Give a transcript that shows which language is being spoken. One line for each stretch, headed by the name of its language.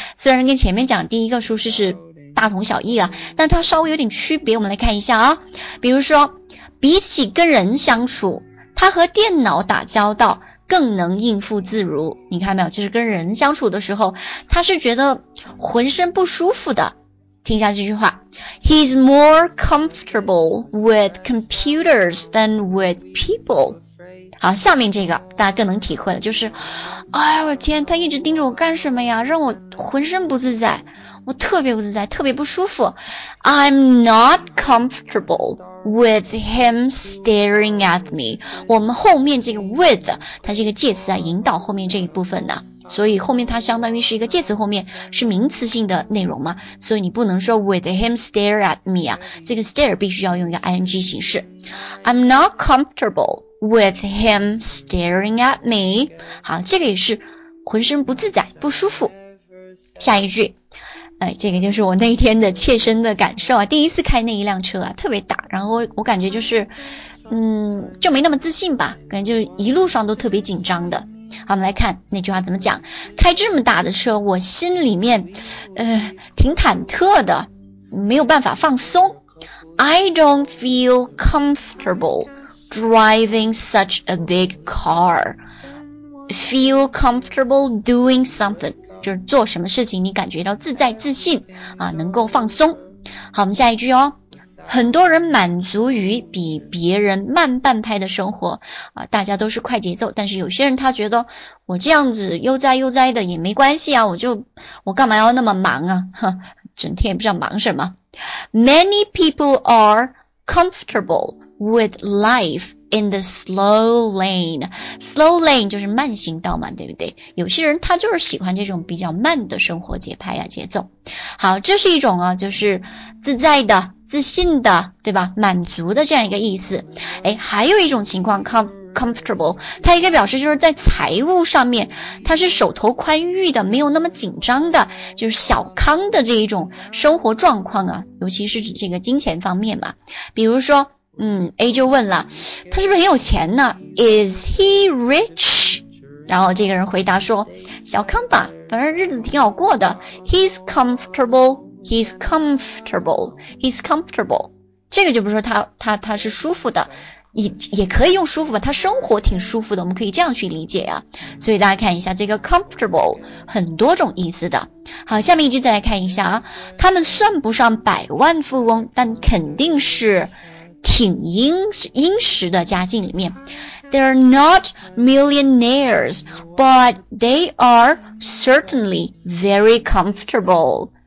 Chinese: 虽然跟前面讲第一个舒适是大同小异啊，但它稍微有点区别，我们来看一下啊。比如说，比起跟人相处，它和电脑打交道更能应付自如。你看没有，就是跟人相处的时候他是觉得浑身不舒服的。听一下这句话，
English: He's more comfortable with computers than with people。
Chinese: 好，下面这个大家更能体会了，就是哎呦我天，他一直盯着我干什么呀，让我浑身不自在，我特别不自在，特别不舒服。
English: I'm not comfortable with him staring at me。
Chinese: 我们后面这个 with 它是一个介词啊，引导后面这一部分的。所以后面它相当于是一个介词，后面是名词性的内容嘛，所以你不能说
English: with him stare at me
Chinese: 啊，这个 stare 必须要用一个 ing 形式。
English: I'm not comfortable with him staring at me.
Chinese: 好，这个也是浑身不自在不舒服。下一句，这个就是我那天的切身的感受啊，第一次开那一辆车啊，特别大，然后我感觉就是就没那么自信吧，感觉就一路上都特别紧张的。好，我们来看那句话怎么讲，开这么大的车我心里面挺忐忑的，没有办法放松。
English: I don't feel comfortable driving such a big car. Feel comfortable doing something,
Chinese: 就是做什么事情你感觉到自在自信啊，能够放松。好，我们下一句哦，很多人满足于比别人慢半拍的生活啊，大家都是快节奏，但是有些人他觉得我这样子悠哉悠哉的也没关系啊，我干嘛要那么忙啊，整天也不知道忙什么。
English: Many people are comfortable with life in the slow lane.
Chinese: Slow lane 就是慢行道嘛，对不对？有些人他就是喜欢这种比较慢的生活节拍啊，节奏。好，这是一种啊，就是自在的自信的，对吧，满足的这样一个意思。诶，还有一种情况 comfortable, 它一个表示就是在财务上面它是手头宽裕的，没有那么紧张的，就是小康的这一种生活状况啊，尤其是指这个金钱方面嘛。比如说A 就问了，他是不是很有钱呢？
English: Is he rich?
Chinese: 然后这个人回答说，小康吧，反正日子挺好过的。
English: He's comfortableHe's comfortable. He's comfortable.
Chinese: 这个就不是说他是舒服的，也可以用舒服吧，他生活挺舒服的，我们可以这样去理解啊。所以大家看一下这个 comfortable 很多种意思的。好，下面一句再来看一下啊，他们算不上百万富翁，但肯定是挺殷实的家境里面。
English: They're not millionaires, but they are certainly very comfortable.